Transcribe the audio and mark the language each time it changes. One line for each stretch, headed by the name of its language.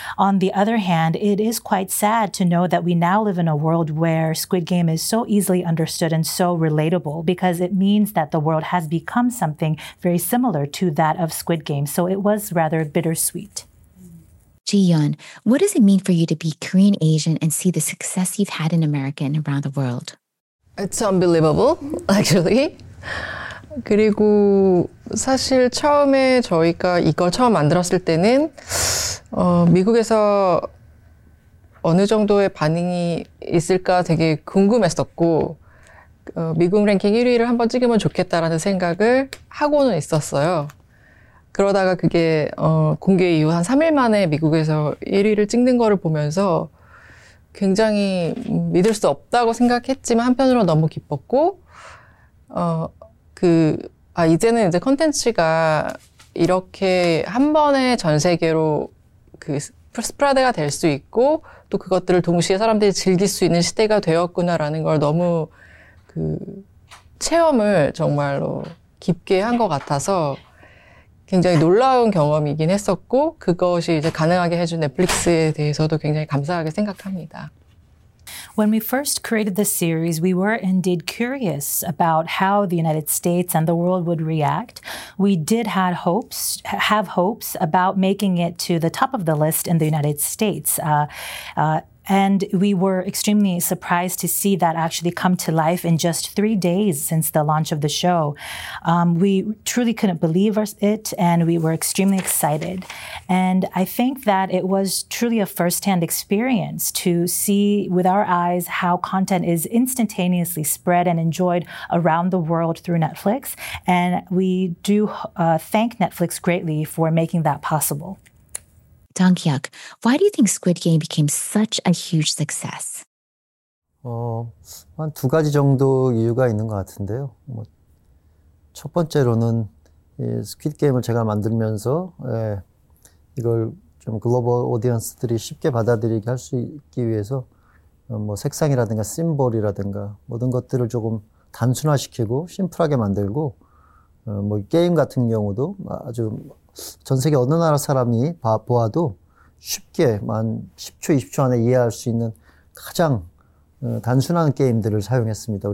English: On the other hand, it is quite sad to know that we now live in a world where Squid Game is so easily understood and so relatable because it means that the world has become something very similar to that of Squid Game. So it was rather bittersweet. Ji-yun, what does it mean for you to be Korean Asian and see the success you've had in America and around the world? It's unbelievable, actually.
Korean: 그리고 사실 처음에 저희가 이걸 처음 만들었을 때는 미국에서 어느 정도의 반응이 있을까 되게 궁금했었고 미국 랭킹 1위를 한번 찍으면 좋겠다라는 생각을 하고는 있었어요. 그러다가 그게 공개 이후 한 3일 만에 미국에서 1위를 찍는 거를 보면서 굉장히 믿을 수 없다고 생각했지만 한편으로 너무 기뻤고 이제는 이제 콘텐츠가 이렇게 한 번에 전 세계로 그 스프레드가 될 수 있고 또 그것들을 동시에 사람들이 즐길 수 있는 시대가 되었구나라는 걸 너무 그 체험을 정말로 깊게 한 것 같아서 굉장히 놀라운 경험이긴 했었고 그것이 이제 가능하게 해준 넷플릭스에 대해서도 굉장히 감사하게 생각합니다.
English: When we first created the series, we were indeed curious about how the United States and the world would react. We did have hopes about making it to the top of the list in the United States. And we were extremely surprised to see that actually come to life in just 3 days since the launch of the show. We truly couldn't believe it, and we were extremely excited. And I think that it was truly a firsthand experience to see with our eyes how content is instantaneously spread and enjoyed around the world through Netflix. And we do thank Netflix greatly for making that possible. Dong-hyuk, why do you think Squid Game became such a huge success?
Korean: 한 두 가지 정도 이유가 있는 것 같은데요. 뭐, 첫 번째로는 이 Squid Game을 제가 만들면서 이걸 좀 글로벌 오디언스들이 쉽게 받아들이게 할 수 있기 위해서 뭐 색상이라든가 심볼이라든가 모든 것들을 조금 단순화시키고 심플하게 만들고 뭐 게임 같은 경우도 아주 전 세계 어느 나라 사람이 보아도 쉽게 한 10초, 20초 안에 이해할 수 있는 가장 단순한 게임들을 사용했습니다.